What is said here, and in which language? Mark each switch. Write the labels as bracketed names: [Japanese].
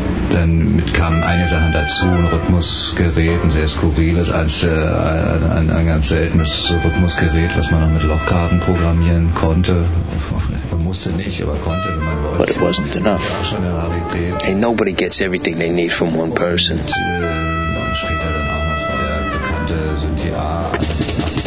[German] Dann kamen einige Sachen dazu, ein Rhythmusgerät, ein sehr skurriles, ein ganz seltenes Rhythmusgerät, was man noch mit Lochkarten programmieren konnte. Man musste nicht, aber konnte, wenn man wollte. [English] But it wasn't enough. [German] Das war schon eine Rarität. [English] Hey, nobody gets everything they need from one person. [German] Und später dann auch noch der bekannte Synthi A.